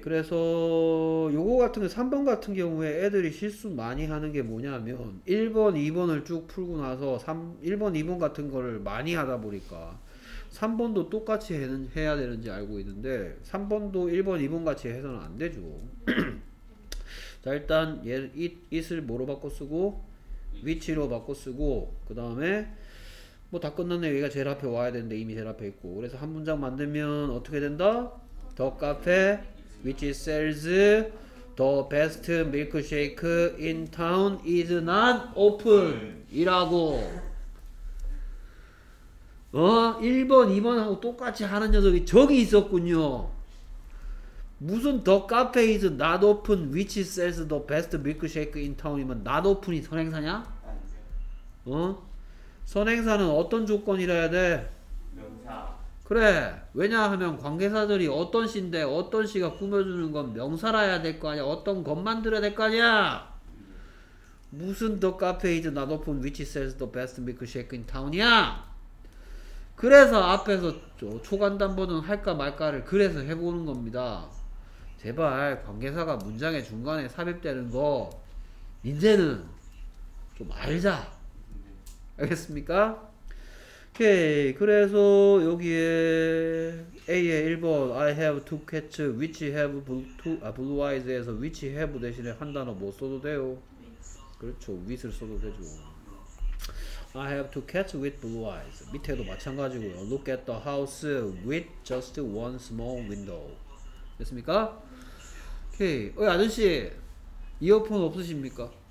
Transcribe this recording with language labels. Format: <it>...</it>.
<ko>그래서 요거 같은 3번 같은 경우에 애들이 실수 많이 하는 게 뭐냐면, 1번, 2번을 쭉 풀고 나서 1번, 2번 같은 거를 많이 하다 보니까 3번도 똑같이 해야 되는지 알고 있는데, 3번도 1번, 2번 같이 해서는 안 되죠. 자, 일단 얘 it을 뭐로 바꿔 쓰고, 위치로 바꿔 쓰고, 그 다음에 뭐다 끝났네. 얘가 제일 앞에 와야 되는데 이미 제일 앞에 있고. 그래서 한 문장 만들면 어떻게 된다?</ko> <en>The cafe which sells the best milkshake in town is not open.</en> <ko>이라고. 어? 1번, 2번하고 똑같이 하는 녀석이 저기 있었군요. 무슨</ko> <en>The cafe is not open which sells the best milkshake in town이면 not open이</en> <ko>선행사냐? 어? 선행사는 어떤 조건이라야 돼? 그래. 왜냐하면 관계사들이 어떤 시인데 어떤 시가 꾸며주는 건 명사라야 될거 아니야? 어떤 것만 들어야 될거 아니야? 무슨</ko> <en>The cafe is not open which sells the best milkshake in town이야?</en> <ko>그래서 앞에서 초간단번은 할까 말까를 그래서 해보는 겁니다. 제발 관계사가 문장의 중간에 삽입되는 거 이제는 좀 알자. 알겠습니까? 오케이. 그래서 여기에 A의 1번</ko> <en>I have two cats which have blue eyes</en> <ko>에서 which have 대신에 한 단어 뭐 써도 돼요? 그렇죠. with를 써도 되죠.</ko> <en>I have two cats with blue eyes.</en> <ko>밑에도 마찬가지고요.</ko> <en>Look at the house with just one small window.</en> <ko>됐습니까? 오케이. 어이 아저씨, 이어폰 없으십니까?</ko>